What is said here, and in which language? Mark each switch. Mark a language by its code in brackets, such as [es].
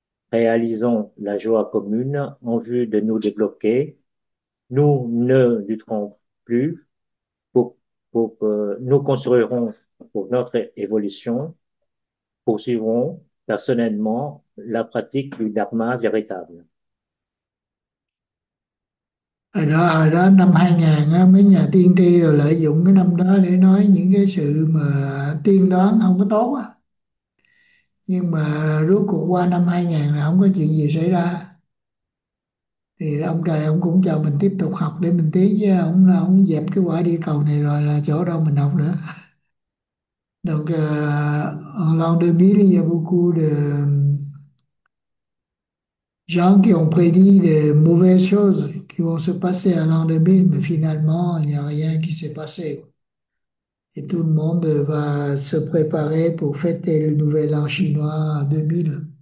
[fr] Réalisons la joie commune en vue de nous débloquer. Nous ne lutterons plus. Nous construirons pour notre évolution, poursuivrons personnellement la pratique du dharma véritable. [vi] Hồi đó năm 2000 mấy nhà tiên tri rồi lợi dụng cái năm đó để nói những cái sự mà tiên đoán không có tốt á, nhưng mà rốt cuộc qua năm 2000 là không có chuyện gì xảy ra, thì ông trời ông cũng cho mình tiếp tục học để mình tiến chứ ông dẹp cái quả địa cầu này rồi là chỗ đâu mình học nữa. [fr] Donc l'an 2000 il y a beaucoup de gens qui ont prédit des mauvaises choses qui vont se passer à l'an 2000, mais finalement, il n'y a rien qui s'est passé. Et tout le monde va se préparer pour fêter le nouvel an chinois 2000.